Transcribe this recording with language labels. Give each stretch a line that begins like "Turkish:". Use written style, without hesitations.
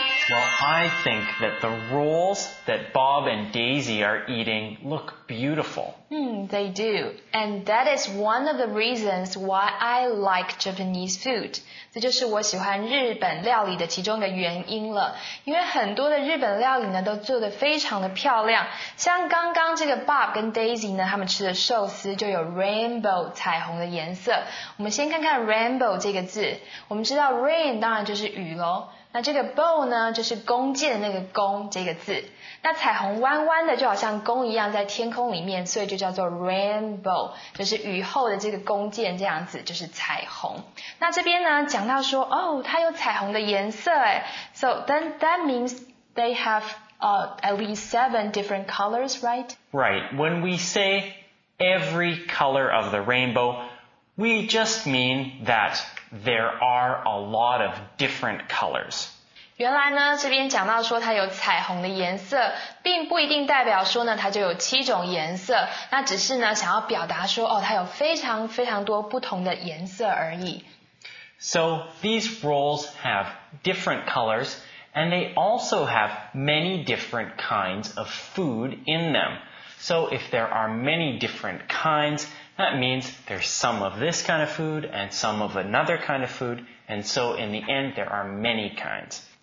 English: Well, I think that the rolls that Bob and Daisy are eating look beautiful. They do. And that is one of the reasons why I like Japanese food.
Chinese: 这就是我喜欢日本料理的其中一个原因了。因为很多的日本料理呢都做得非常的漂亮。像刚刚这个 Bob 跟 Daisy 呢他们吃的寿司就有 rainbow 彩虹的颜色。我们先看看 rainbow 这个字。我们知道 rain 当然就是雨咯。那这个 bow 呢就是弓箭的那个弓这个字那彩虹弯弯的就好像弓一样在天空里面所以就叫做 rainbow 就是雨后的这个弓箭这样子就是彩虹那这边呢讲到说哦它有彩虹的颜色耶
English: So then that means they have at least seven different colors, right? Right, when we say every color of the rainbow we just mean thatThere are a lot of different colors.
Chinese: 原来呢，这边讲到说它有彩虹的颜色，并不一定代表说呢它就有七种颜色。那只是呢想要表达说哦，它有非常非常多不同的颜色而已。
English: So these rolls have different colors, and they also have many different kinds of food in them. So if there are many different kinds, That means there's some of this kind of food and some of another kind of food, and so in the end, there are many kinds.